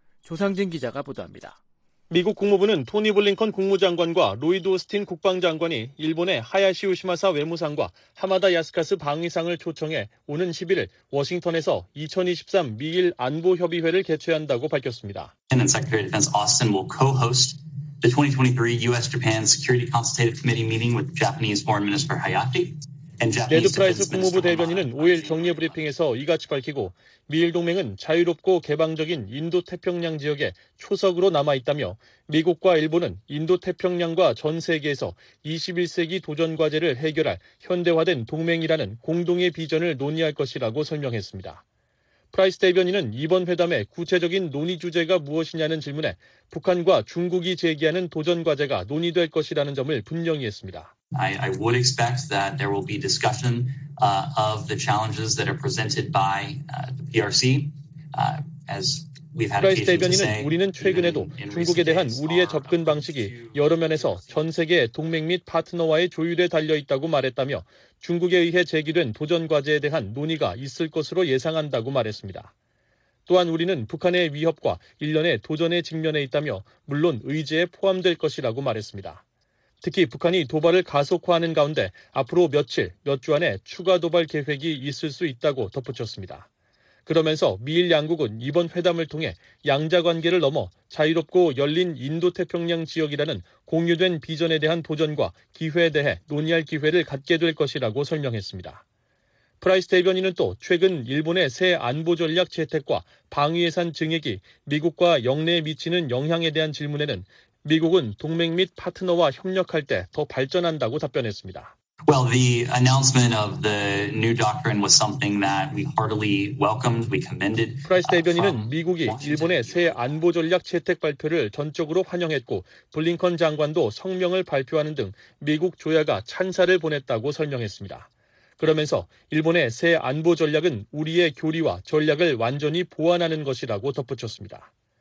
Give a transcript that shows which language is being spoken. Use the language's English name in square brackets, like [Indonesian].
[Korean] 조상진 기자가 보도합니다. 미국 국무부는 토니 블링컨 국무장관과 로이드 오스틴 국방장관이 일본의 하야시 우시마사 외무상과 하마다 야스카스 방위상을 초청해 오는 11일 워싱턴에서 2023 미일 안보협의회를 개최한다고 밝혔습니다. [English] Secretary of Defense Austin will co-host the 2023 U.S.-Japan Security Consultative Committee meeting with Japanese Foreign Minister Hayashi. [Korean] 레드 프라이스 국무부 대변인은 5일 정례 브리핑에서 이같이 밝히고 미일 동맹은 자유롭고 개방적인 인도태평양 지역에 초석으로 남아있다며 미국과 일본은 인도태평양과 전 세계에서 21세기 도전과제를 해결할 현대화된 동맹이라는 공동의 비전을 논의할 것이라고 설명했습니다. 프라이스 대변인은 이번 회담의 구체적인 논의 주제가 무엇이냐는 질문에 북한과 중국이 제기하는 도전과제가 논의될 것이라는 점을 분명히 했습니다. [English] I would expect that there will be discussion of the challenges that are presented by the PRC as we've had occasion to say. [Korean] 대변인은 우리는 최근에도 중국에 대한 우리의 접근 방식이 여러 면에서 전 세계 동맹 및 파트너와의 조율에 달려 있다고 말했다며 중국에 의해 제기된 도전 과제에 대한 논의가 있을 것으로 예상한다고 말했습니다. 또한 우리는 북한의 위협과 일련의 도전의 직면에 있다며 물론 의제에 포함될 것이라고 말했습니다. 특히 북한이 도발을 가속화하는 가운데 앞으로 며칠, 몇 주 안에 추가 도발 계획이 있을 수 있다고 덧붙였습니다. 그러면서 미일 양국은 이번 회담을 통해 양자 관계를 넘어 자유롭고 열린 인도태평양 지역이라는 공유된 비전에 대한 도전과 기회에 대해 논의할 기회를 갖게 될 것이라고 설명했습니다. 프라이스 대변인은 또 최근 일본의 새 안보 전략 채택과 방위 예산 증액이 미국과 역내에 미치는 영향에 대한 질문에는 미국은 동맹 및 파트너와 협력할 때 더 발전한다고 답변했습니다. [English] Well, the announcement of the new doctrine was something that we heartily welcomed, we commended. [Korean] 프라이스 대변인은 미국이 일본의 새 안보 전략 채택 발표를 전적으로 환영했고 블링컨 장관도 성명을 발표하는 등 미국 조야가 찬사를 보냈다고 설명했습니다. 그러면서 일본의 새 안보 전략은 우리의 교리와 전략을 완전히 보완하는 것이라고 덧붙였습니다.